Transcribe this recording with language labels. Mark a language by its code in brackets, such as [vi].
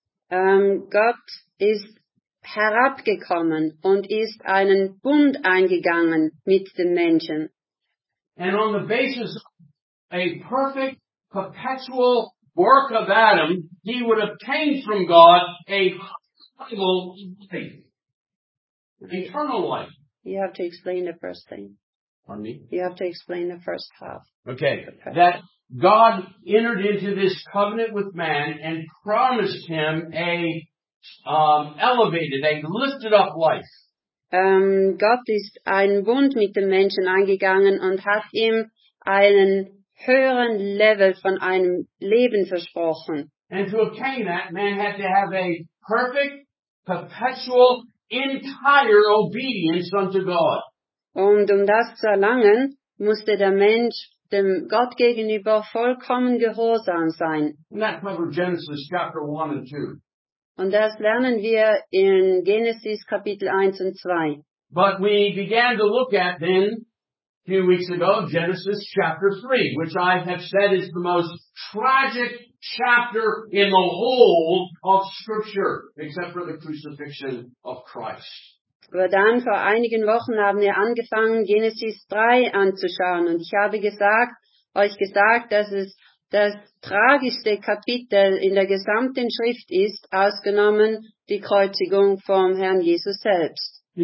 [de] Gott ist herabgekommen und ist einen Bund eingegangen mit den Menschen. [en] And on the basis of a perfect, perpetual work of Adam, he would obtain from God a final life, eternal life. You have to explain the first thing. Pardon me? You have to explain the first half. Okay. That God entered into this covenant with man and promised him a elevated, a lifted up life. [de] Gott ist einen Bund mit dem Menschen eingegangen und hat ihm einen höheren Level von einem Leben versprochen. [en] And to obtain that, man had to have a perfect, perpetual, entire obedience unto God. [de] Und um das zu erlangen, musste der Mensch dem Gott gegenüber vollkommen gehorsam sein. [en] And that's remember Genesis chapter 1 and 2. [de] Und das lernen wir in Genesis Kapitel 1 und 2. [en] But we began to look at then, a few weeks ago, Genesis chapter 3, which I have said is the most tragic chapter in the whole of Scripture, except for the crucifixion of Christ. [de] Aber dann, vor einigen Wochen, haben wir angefangen, Genesis 3 anzuschauen. Und ich habe euch gesagt, dass es das tragischste Kapitel in der gesamten Schrift ist, ausgenommen die Kreuzigung vom Herrn Jesus selbst.